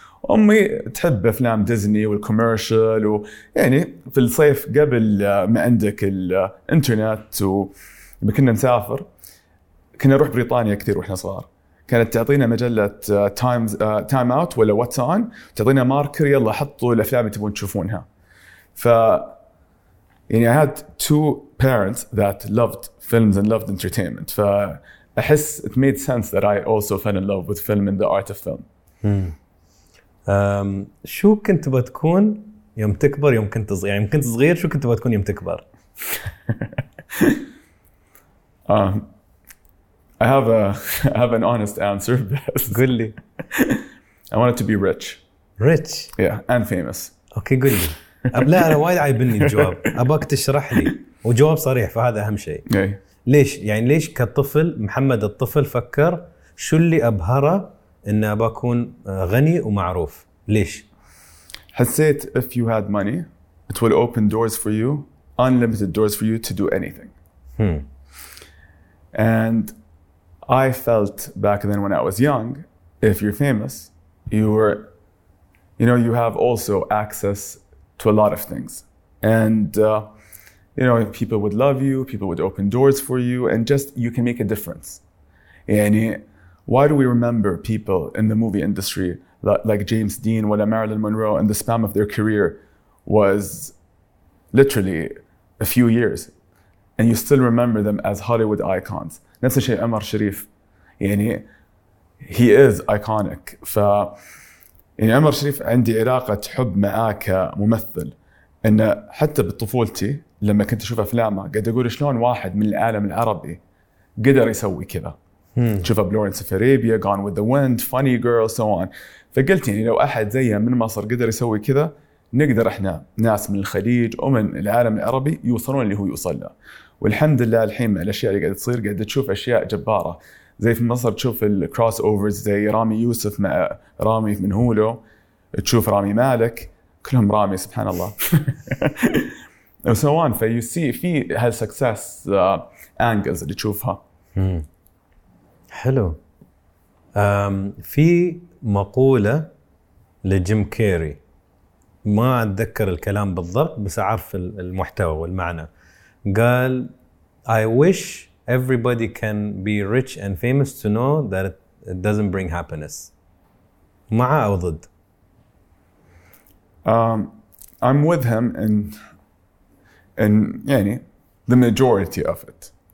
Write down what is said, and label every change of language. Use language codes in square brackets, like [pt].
[ar] أمي تحب أفلام ديزني والكوميرشل ويعني في الصيف قبل ما عندك الإنترنت وما كنا نسافر كنا نروح بريطانيا كثير وإحنا صغار كانت تعطينا مجلة تايم أوت ولا واتس أون تعطينا ماركر يلا حطوا الأفلام اللي تبون تشوفونها. ف يعني [en] I had two parents that loved films and loved entertainment فأحس it made sense that I also fell in love with film and the art of film. [ar] شو كنت بتكون يوم تكبر يوم كنت صغير يوم كنت صغير شو كنت بتكون يوم تكبر؟ [en] I have an honest answer. [ar] قل لي. [en] I wanted to be rich. Rich. Yeah, and famous. Okay, [ar] قل لي. أبلا أنا وايد عايبني الجواب. أباك تشرح لي. وجواب صريح فهذا أهم شيء. [en] Yeah. [ar] ليش يعني ليش كطفل محمد الطفل فكر شو اللي أبهره إن أبا أكون غني ومعروف؟ ليش؟ [en] حسيت if you had money it will open doors for you, unlimited doors for you to do anything. And I felt back then when I was young, if you're famous, you were, you know, you have also access to a lot of things. And, you know, people would love you, people would open doors for you, and just you can make a difference. And why do we remember people in the movie industry like James Dean or Marilyn Monroe, and the span of their career was literally a few years, and you still remember them as Hollywood icons. [ar] نفس الشيء عمر شريف. يعني [en] he is iconic. [ar] ف يعني عمر شريف عندي علاقة حب معاه كممثل. إن حتى بطفولتي لما كنت أشوف أفلامه قد أقول شلون واحد من العالم العربي قدر يسوي كذا. [en] شوف بلورنس في Arabia, Gone with the Wind, Funny Girl, so on. [ar] فقلت يعني لو أحد زيه من مصر قدر يسوي كذا نقدر إحنا ناس من الخليج أو من العالم العربي يوصلون اللي هو يوصل له. والحمد لله الحين مع الأشياء اللي قاعدة تصير قاعدة تشوف أشياء جبارة. زي في مصر تشوف الكروس أوفرز زي رامي يوسف مع رامي من هولو, تشوف رامي مالك, كلهم رامي سبحان الله. [en] So on. فيو سي في هالسكسس أنجلز اللي تشوفها. [ar] حلو. في مقولة لجيم كيري ما أتذكر الكلام بالضبط بس أعرف المحتوى والمعنى. [en] قال I wish everybody can be rich and famous to know that it doesn't bring happiness. [ar] مع أو ضد؟ [en] I'm with him in يعني the majority of it.